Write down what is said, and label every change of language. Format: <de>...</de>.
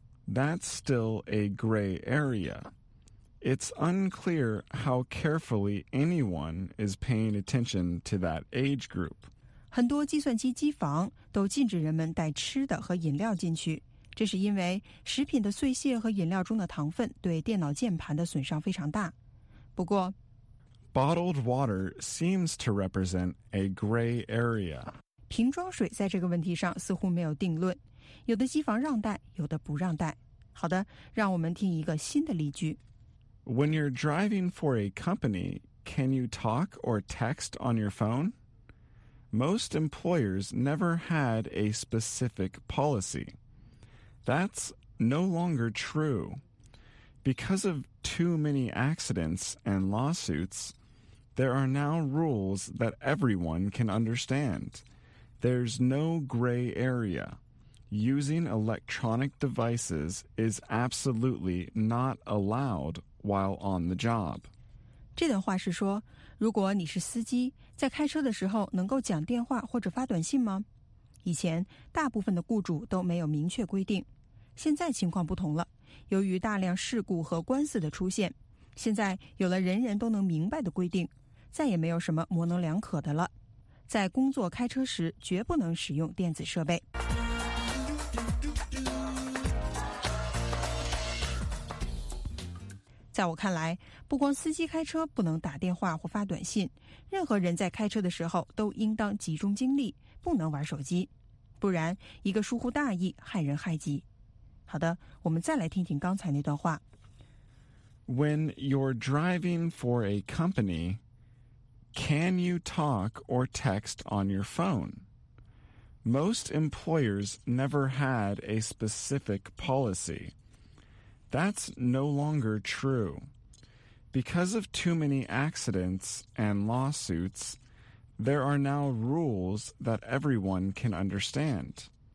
<en>That's still a gray area. It's unclear how carefully anyone is paying attention to that age group.</en> <zh>很多计算机机房都禁止人们带吃的和饮料进去，这是因为食品的碎屑和饮料中的糖分对电脑键盘的损伤非常大。不过</zh> <en>Bottled water seems to represent a gray area.</en> <zh>瓶装水在这个问题上似乎没有定论，有的机房让带，有的不让带。好的，让我们听一个新的例句。</zh> <en>When you're driving for a company, can you talk or text on your phone? Most employers never had a specific policy. That's no longer true. Because of too many accidents and lawsuits, there are now rules that everyone can understand. There's no gray area. Using electronic devices is absolutely not allowed while on the job.</en> <zh>这段话是说，如果你是司机，在开车的时候能够讲电话或者发短信吗？以前大部分的雇主都没有明确规定，现在情况不同了。由于大量事故和官司的出现，现在有了人人都能明白的规定，再也没有什么模棱两可的了。在工作开车时绝不能使用电子设备。在我看来，不光司机开车不能打电话或发短信，任何人在开车的时候都应当集中精力，不能玩手机，不然一个疏忽大意，害人害己。好的，我们再来听听刚才那段话。</zh> <en>When you're driving for a company, can you talk or text on your phone? Most employers never had a specific policy. That's no longer true. Because of too many accidents and lawsuits, there are now rules that everyone can understand.</en>